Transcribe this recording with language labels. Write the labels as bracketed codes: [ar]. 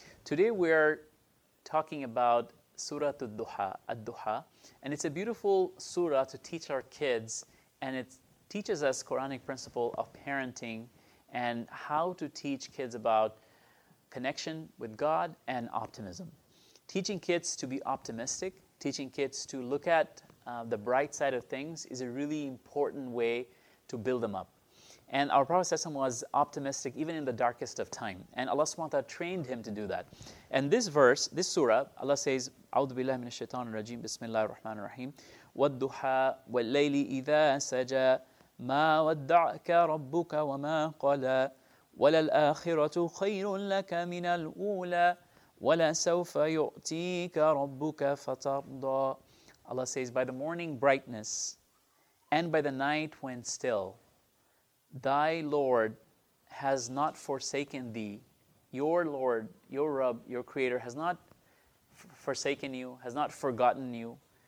[en] Today we are talking about Surah Ad-Duha, and it's a beautiful surah to teach our kids, and it teaches us Quranic principle of parenting and how to teach kids about connection with God and optimism. Teaching kids to be optimistic, teaching kids to look at the bright side of things is a really important way to build them up. And our Prophet ﷺ was optimistic even in the darkest of time. And Allah subhanahu wa ta'ala trained him to do that. And this verse, this surah, Allah says, [ar] أعوذ بالله من الشيطان الرجيم بسم الله الرحمن الرحيم والضحى والليل إذا سجى ما ودعك ربك وما قلى وللآخرة خير لك من الأولى وَلَسَوْفَ يُؤْتِيكَ رَبُّكَ فَتَرْضَى. [en] Allah says, by the morning brightness and by the night when still, thy Lord has not forsaken thee. Your Lord, your Rabb, your Creator has not forsaken you, has not forgotten you.